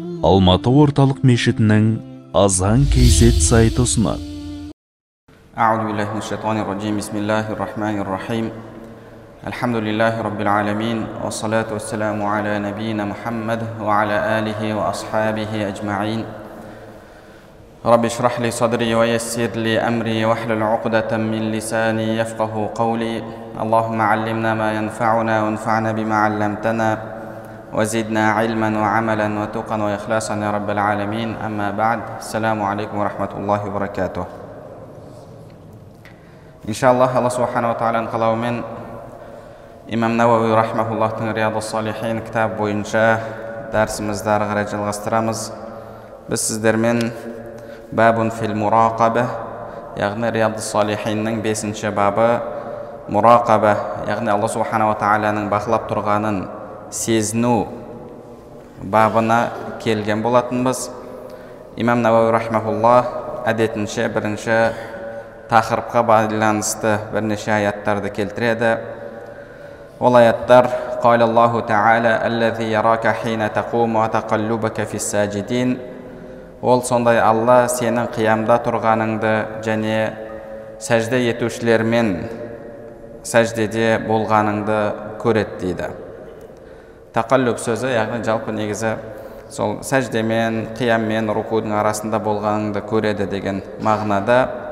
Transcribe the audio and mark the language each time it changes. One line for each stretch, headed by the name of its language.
Kazakh: Алматы орталық мешітінің азан кейзет сайты ұсынады.
Arabic: أعوذ بالله من الشيطان الرجيم بسم الله الرحمن الرحيم الحمد لله رب العالمين والصلاة والسلام على نبينا محمد وعلى آله وأصحابه أجمعين رب اشرح لي صدري ويسر لي أمري واحلل عقدة من لساني يفقه قولي اللهم علمنا ما ينفعنا وانفعنا بما علمتنا وزدنا علما وعملا وتقا وإخلاصا يا رب العالمين أما بعد السلام عليكم ورحمة الله وبركاته
Kazakh: иншааллах алла субханала тағаланың қалауымен имам науауи рахмаһуллаһтың риядус салихин кітабы бойынша дәрісімізді ары қарай жалғастырамыз. Біз сіздермен бабун фил мураҡаба, яғни риядус салихиннің 5-ші бабы мураҡаба, яғни алла субханала тағаланың бақылап тұрғанын сезіну бабына келген болатынбыз. Имам науауи рахмаһуллаһ әдетінше 1-ші тақырыпқа байланысты бірнеше аяттарды келтіреді. Ол аяттар:
Arabic: قال الله تعالى الذي يراك حين تقوم وتقلبك في الساجدين.
Kazakh: Ол сондай Алла сенің қиямда тұрғаныңды және сәжде етушілермен сәждеде болғаныңды көреді дейді. Тақаллуб сөзі, яғни жалпы негізі сол сәждемен, қияммен, рукудың арасында болғаныңды көреді деген мағынада.